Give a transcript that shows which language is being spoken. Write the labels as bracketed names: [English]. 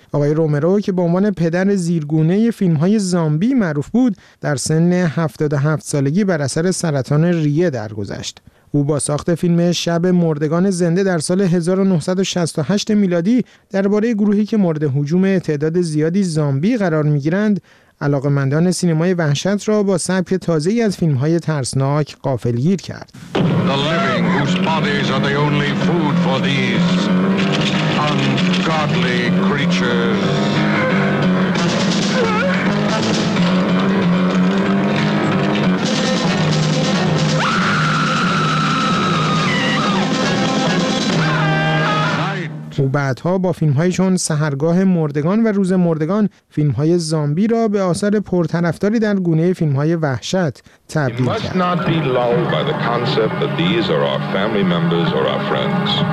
[Persian] آقای رومرو که به عنوان پدر زیرگونه فیلمهای زامبی معروف بود، در سن 77 سالگی بر اثر سرطان ریه درگذشت. او با ساخت فیلم شب مردگان زنده در سال 1968 میلادی درباره گروهی که مورد هجوم تعداد زیادی زامبی قرار می‌گیرند، علاقمندان سینمای وحشت را با سبک تازه‌ای از فیلم‌های ترسناک غافلگیر کرد. [English] The living whose bodies are the only food for these ungodly creatures. [Persian] او بعدها با فیلم‌های چون سحرگاه مردگان و روز مردگان فیلم‌های زامبی را به آثار پرطرفداری در گونه فیلم‌های وحشت تبدیل کرد. [English] You must not be lulled by the concept that these are our family members or our friends.